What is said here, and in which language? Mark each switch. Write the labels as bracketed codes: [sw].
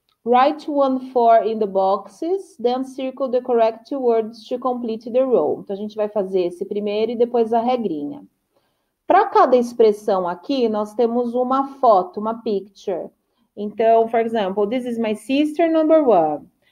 [en] Write one for in the boxes, then circle the correct words to complete the row. [pt] Então, a gente vai fazer esse primeiro e depois a regrinha. Para cada expressão aqui, nós temos uma foto, uma picture. [en] Então, for example, this is my sister, number one.